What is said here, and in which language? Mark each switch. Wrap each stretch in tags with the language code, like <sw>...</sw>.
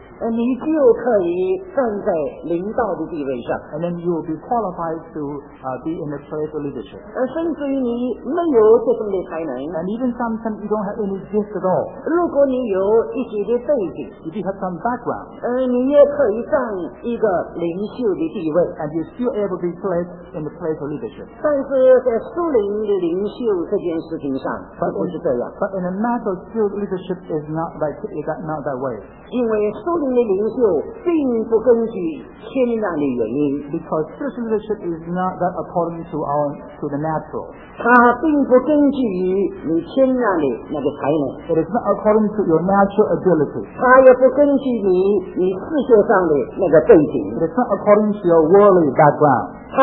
<zh>你就可以站在领导的地位上，</zh> <en>and then you will be qualified to be in a place of leadership.</en> <zh>甚至于你没有这种的才能，</zh> <en>and even sometimes you don't have any gifts at all.</en> <zh>如果你有一些的背景，</zh> <en>if you have some background,</en> <zh>你也可以占一个领袖的地位，</zh> <en>and you're still able to be placed in the place of leadership.</en> <zh>但是在属灵的领袖这件事情，</zh> <en>But in a matter of spiritual leadership is not like that, not that way.</en> <zh>因为属灵的领袖并不根据天然的原因。</zh> <en>Because spiritual leadership is not that according to our the natural.</en> <zh>它并不根据于你天然的那个才能。</zh> <en>It is not according to your natural ability.</en> <zh>它也不根据于你世界上的那个背景。</zh> <en>It is not according to your worldly background.</en>